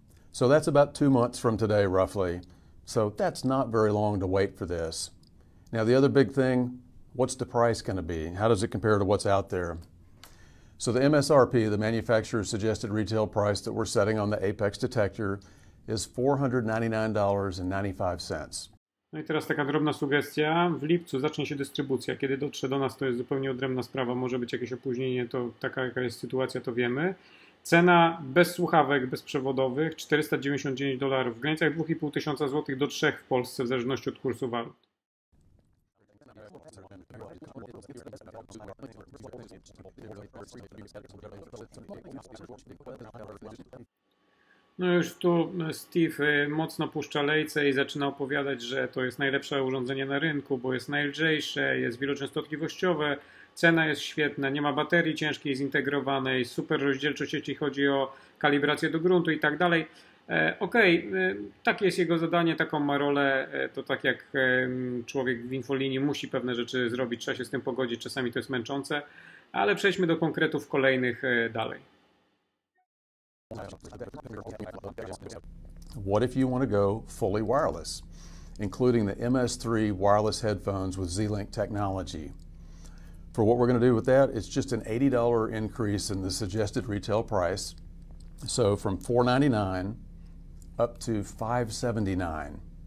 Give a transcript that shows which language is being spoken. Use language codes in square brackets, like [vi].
[en] So that's about 2 months from today, roughly. So that's not very long to wait for this. Now the other big thing, what's the price going to be? How does it compare to what's out there? So the MSRP, the manufacturer's suggested retail price that we're setting on the Apex detector, is $499.95. [pl] No i teraz taka drobna sugestia. W lipcu zacznie się dystrybucja. Kiedy dotrze do nas, to jest zupełnie odrębna sprawa. Może być jakieś opóźnienie, to taka jaka jest sytuacja, to wiemy. Cena bez słuchawek bezprzewodowych $499 w granicach 2500 zł do 3 w Polsce, w zależności od kursu walut. No już tu Steve mocno puszcza lejce i zaczyna opowiadać, że to jest najlepsze urządzenie na rynku, bo jest najlżejsze, jest wieloczęstotliwościowe, cena jest świetna, nie ma baterii ciężkiej zintegrowanej, super rozdzielczość, jeśli chodzi o kalibrację do gruntu i tak dalej. Okej, takie jest jego zadanie, taką ma rolę, to tak jak człowiek w infolinii musi pewne rzeczy zrobić, trzeba się z tym pogodzić, czasami to jest męczące, ale przejdźmy do konkretów kolejnych dalej. [en] What if you want to go fully wireless? including the MS3 wireless headphones with Z-Link technology. For what we're going to do with that, it's just an $80 increase in the suggested retail price. So from $499 up to $579.